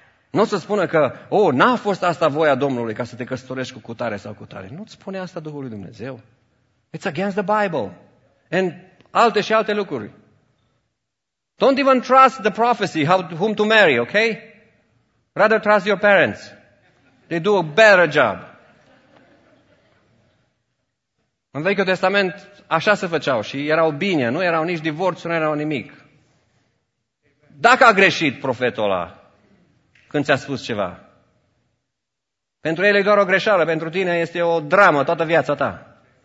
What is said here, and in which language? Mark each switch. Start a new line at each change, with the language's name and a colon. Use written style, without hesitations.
Romanian: Nu o să spună că, oh, n-a fost asta voia Domnului ca să te căsătorești cu cutare sau cutare. Nu-ți spune asta Duhul lui Dumnezeu.
English: It's against the Bible.
Romanian: And alte și alte lucruri.
English: Don't even trust the prophecy how whom to marry, okay? Rather trust your parents. They do a better job.
Romanian: În Vechiul Testament așa se făceau și erau bine, nu erau nici divorțuri, nu erau nimic. Dacă a greșit profetul ăla când ți-a spus ceva, pentru el e doar o greșeală, pentru tine este o dramă toată viața ta.